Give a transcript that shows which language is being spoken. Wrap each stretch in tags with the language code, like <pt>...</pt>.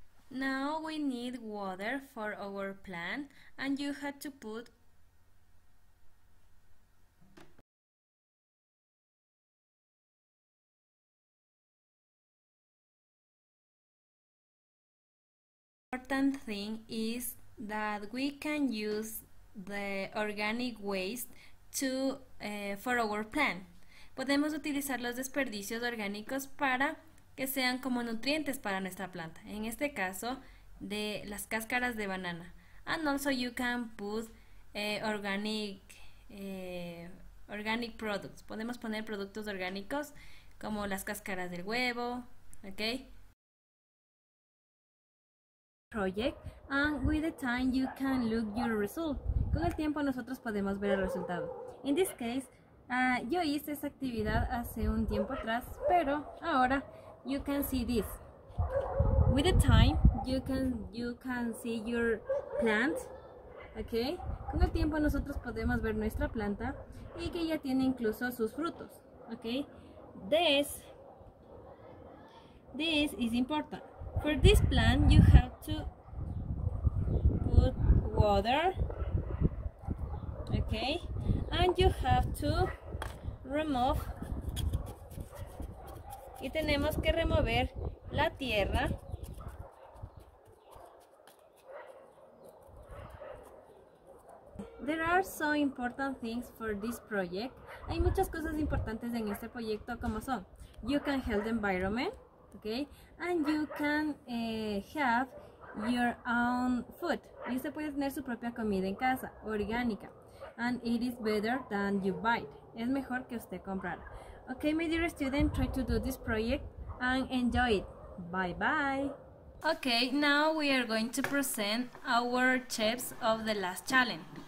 <en>Now we need water for our plant, and you have to put important thing is that we can use the organic waste for our plant.</en> <es>Podemos utilizar los desperdicios orgánicos para que sean como nutrientes para nuestra planta. En este caso, de las cáscaras de banana.</es> <en>And also you can put organic products.</en> <es>Podemos poner productos orgánicos como las cáscaras del huevo, ¿ok?</es> <en>Project and with the time you can look your result.</en> <es>Con el tiempo nosotros podemos ver el resultado. In this case, yo hice esta actividad hace un tiempo atrás, pero ahora you can see this.</es> <en>With the time you can see your plant, okay?</en> <es>Con el tiempo nosotros podemos ver nuestra planta y que ya tiene incluso sus frutos, okay?</es> <en>This is important. For this plant, you have to put water, okay, and you have to remove, y tenemos que remover la tierra . There are so important things for this project. Hay muchas cosas importantes en este proyecto, como son you can help the environment, okay, and you can have your own food.</en> <es>Y usted puede tener su propia comida en casa, orgánica.</es> <en>And it is better than you buy. Es mejor que usted comprar. Okay, my dear student, try to do this project and enjoy it. Bye bye. Okay, now we are going to present our chips of the last challenge.</en>